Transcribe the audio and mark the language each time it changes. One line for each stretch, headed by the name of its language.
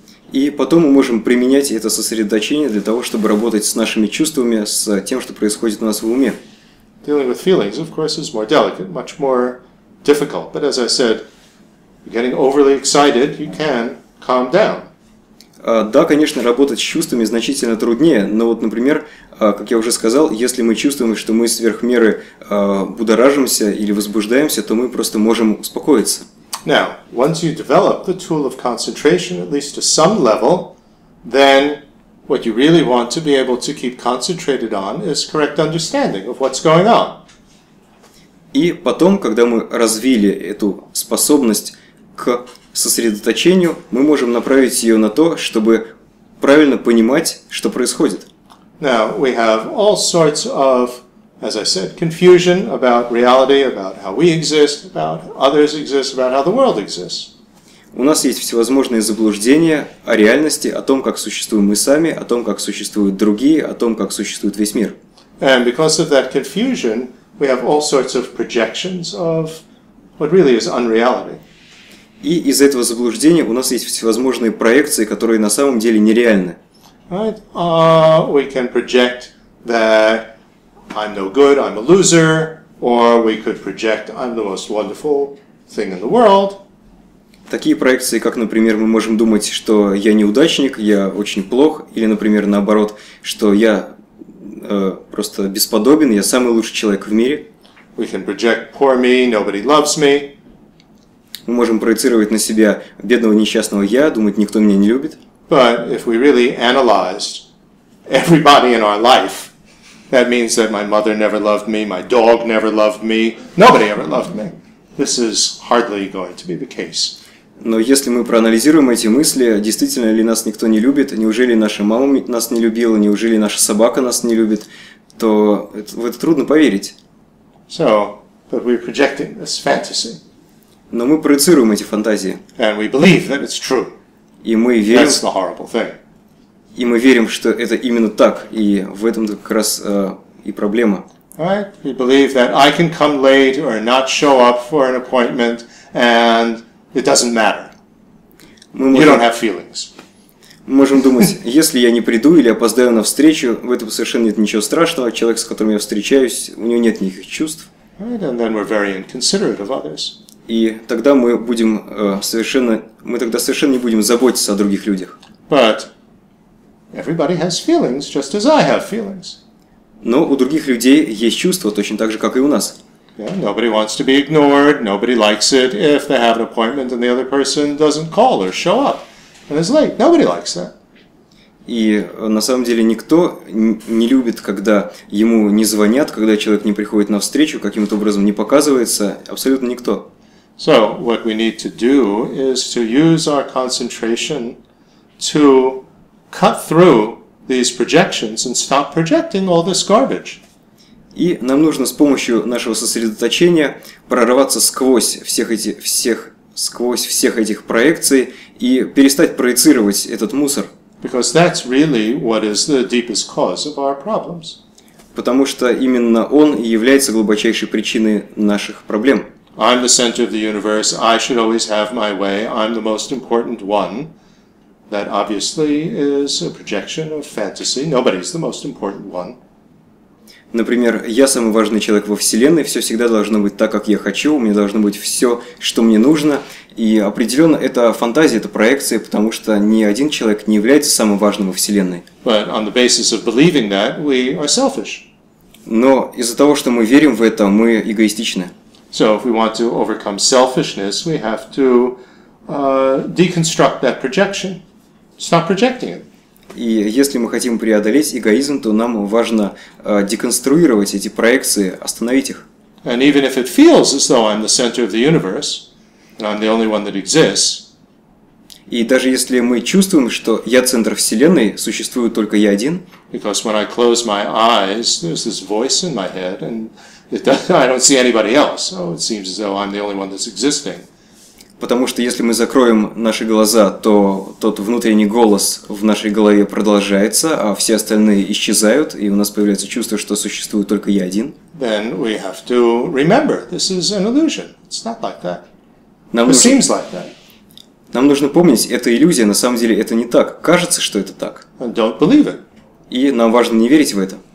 Russian: И потом мы можем применять это сосредоточение для того, чтобы работать с нашими чувствами, с тем, что происходит у нас в уме.
English: Dealing with feelings, of course, is more delicate, much more difficult. But as I said, you're getting overly excited, you can calm down.
Russian: Да, конечно, работать с чувствами значительно труднее, но вот, например, как я уже сказал, если мы чувствуем, что мы сверх меры будоражимся или возбуждаемся, то мы просто можем успокоиться.
English: Now, once you develop the tool of concentration, at least to some level, then what you really want to be able to keep concentrated on is correct understanding of what's going on.
Russian: И потом, когда мы развили эту способность к сосредоточению, мы можем направить ее на то, чтобы правильно понимать, что происходит.
English: Now, we have all sorts of, as I said, confusion about reality, about how we exist, about others exist, about how the world exists.
Russian: У нас есть всевозможные заблуждения о реальности, о том, как существуем мы сами, о том, как существуют другие, о том, как существует весь мир.
English: And because of that confusion, we have all sorts of projections of what really is unreality.
Russian: И из-за этого заблуждения у нас есть всевозможные проекции, которые на самом деле нереальны.
English: Right? We can project that I'm no good, I'm a loser, or we could project I'm the most wonderful thing in the world.
Russian: Такие проекции, как, например, мы можем думать, что я неудачник, я очень плох, или, например, наоборот, что я просто бесподобен, я самый лучший человек в мире.
English: We can project poor me, nobody loves me.
Russian: Мы можем проецировать на себя бедного несчастного я, думать, никто меня не любит.
English: But if we really analyzed everybody in our life, that means that my mother never loved me, my dog never loved me, nobody ever loved me. This is hardly going to be the case.
Russian: Но если мы проанализируем эти мысли, действительно ли нас никто не любит, неужели наша мама нас не любила, неужели наша собака нас не любит, то в это трудно поверить.
English: So, but we're projecting this fantasy.
Russian: Но мы проецируем эти фантазии.
English: And we believe that it's true.
Russian: И мы верим,
English: That's the horrible thing.
Russian: И мы верим, что это именно так, и в этом как раз и проблема.
English: Right? We believe that I can come late or not show up for an appointment, and it doesn't matter. You don't have feelings.
Russian: Мы можем думать, если я не приду или опоздаю на встречу, в этом совершенно нет ничего страшного. Человек, с которым я встречаюсь, у него нет никаких чувств.
English: Right? And then we're very inconsiderate of others.
Russian: И тогда мы будем совершенно не будем заботиться о других людях.
English: But everybody has feelings, just as I have feelings.
Russian: Но у других людей есть чувства, точно так же, как и у нас.
English: Yeah, nobody wants to be ignored, nobody likes it if they have an appointment and the other person doesn't call or show up and is late. Nobody likes that.
Russian: И на самом деле никто не любит, когда ему не звонят, когда человек не приходит на встречу, каким-то образом не показывается, абсолютно никто.
English: So, what we need to do is to use our concentration to cut through these projections and stop projecting all this garbage.
Russian: И нам нужно с помощью нашего сосредоточения прорваться сквозь всех этих проекций и перестать проецировать этот мусор.
English: Because that's really what is the deepest cause of our problems.
Russian: Потому что именно он и является глубочайшей причиной наших проблем.
English: I'm the center of the universe, I should always have my way, I'm the most important one. That obviously is a projection of fantasy, nobody's the most important one.
Russian: Например, я самый важный человек во Вселенной, все всегда должно быть так, как я хочу, у меня должно быть все, что мне нужно. И определенно это фантазия, это проекция, потому что ни один человек не является самым важным во Вселенной.
English: But on the basis of believing that, we are selfish.
Russian: Но из-за того, что мы верим в это, мы эгоистичны.
English: So if we want to overcome selfishness, we have to deconstruct that projection. Stop projecting it.
Russian: И если мы хотим преодолеть эгоизм, то нам важно деконструировать эти проекции, остановить их.
English: And even if it feels as though I'm the center of the universe, and I'm the only one that exists.
Russian: И даже если мы чувствуем, что я центр Вселенной, существую только я один.
English: Because when I close my eyes, there's this voice in my head, and I don't see anybody else, so it seems as though I'm the only one that's existing.
Russian: Потому что если мы закроем наши глаза, то тот внутренний голос в нашей голове продолжается, а все остальные исчезают, и у нас появляется чувство, что существую только я один.
English: Then we have to remember, this is an illusion. It's not like that. Seems like that.
Russian: Нам нужно помнить, это иллюзия, на самом деле это не так. Кажется, что это так.
English: And don't believe it.
Russian: И нам важно не верить в это.